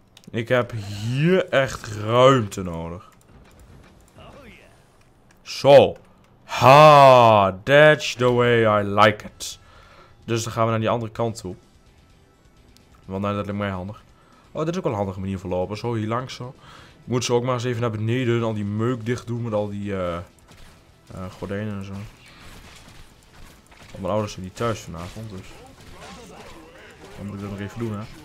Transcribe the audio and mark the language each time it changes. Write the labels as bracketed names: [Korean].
[Dutch] Ik heb hier echt ruimte nodig. Zo. [English] Ha, that's the way I like it. [Dutch] Dus dan gaan we naar die andere kant toe. Want nou, dat lijkt mij handig. Oh, dit is ook wel een handige manier van lopen. Zo, hier langs zo. Ik moet ze ook maar eens even naar beneden en al die meuk dicht doen met al die... gordijnen en zo. Want mijn ouders zijn niet thuis vanavond, dus. Dan moet ik dat nog even doen, hè.